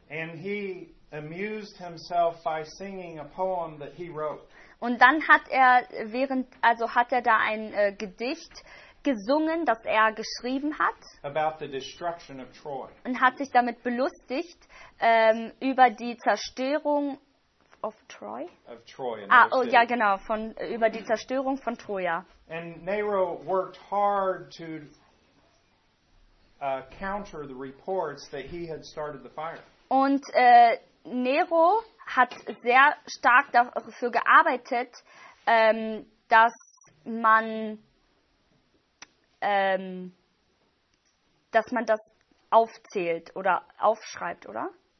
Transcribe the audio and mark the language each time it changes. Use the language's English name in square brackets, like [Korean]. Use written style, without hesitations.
[English] And he amused himself by singing a poem that he wrote. [German] Und dann hat er ein Gedicht gesungen, das er geschrieben hat. [English] About the destruction of Troy. [German] Und hat sich damit belustigt über die Zerstörung [English] of Troy. Of Troy. [German] Ah, oh ja, genau, von über die Zerstörung von Troja. [English] And Nero worked hard to counter the reports that he had started the fire. [German] Und Nero hat sehr stark dafür gearbeitet, dass man das aufzählt oder aufschreibt, oder?